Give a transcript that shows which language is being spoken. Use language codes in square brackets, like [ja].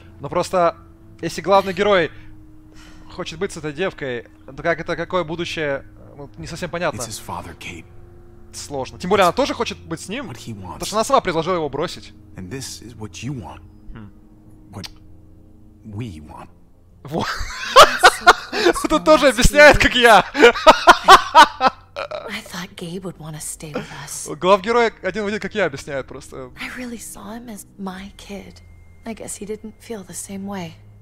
[ru] Но просто, если главный герой хочет быть с этой девкой, то как это, какое будущее, ну, не совсем понятно. [en] It's his father, Kate. [ru] Сложно. Тем более, она тоже хочет быть с ним, потому что она сама предложила его бросить. [en] And this is what you want. What we want. [ru] Вот. Тут тоже объясняет, как я. [en] I thought Gabe would want to stay with us. [ru] Главгерой один видит, как я объясняю просто. [en] I really saw him as my kid. I guess he didn't feel the same way.